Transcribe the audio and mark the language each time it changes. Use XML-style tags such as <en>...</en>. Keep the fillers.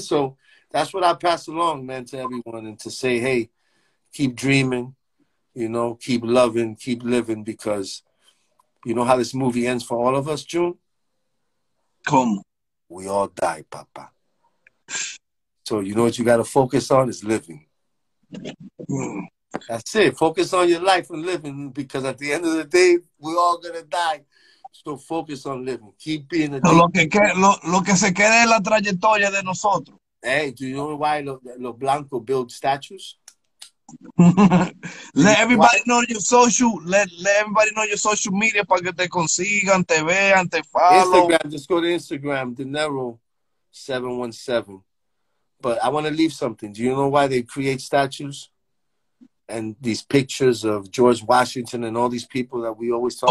<en>So that's what I pass along, man, to everyone and to say, hey, keep dreaming, you know, keep loving, keep living because you know how this movie ends for all of us, June? Come. We all die, Papa. So you know what you got to focus on is living. That's it. Focus on your life and living because at the end of the day, we all going to die. So focus on living. Keep being a</en> <es>lo, que, lo, lo que se quede es la trayectoria de nosotros.</es> <en>Hey, do you know why</en> <es>los lo blancos</es> <en>build statues? let everybody know your social. Let, let everybody know your social media</en> <es>para que te consigan, te vean,</es> <en>te follow. Instagram, just go to Instagram, Dinero717. But I want to leave something. Do you know why they create statues? and these pictures of George Washington and all these people that we always talk.</en>